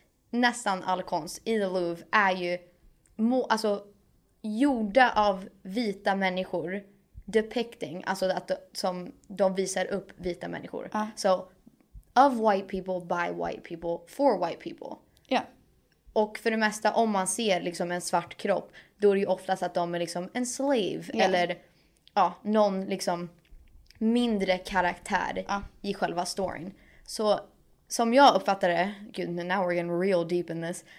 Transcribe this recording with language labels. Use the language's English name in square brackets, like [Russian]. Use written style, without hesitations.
[Swedish] Nästan all konst i the Louvre är ju gjorda av vita människor depicting, alltså att som de visar upp vita människor. [English] So of white people by white people for white people. Ja. Yeah. [Swedish] Och för det mesta, om man ser liksom en svart kropp, då är det ju oftast att de är liksom en slave. Yeah. Eller ja, någon liksom mindre karaktär i själva storyn. Så som jag uppfattar det, gud, [English] now we're getting real deep in this.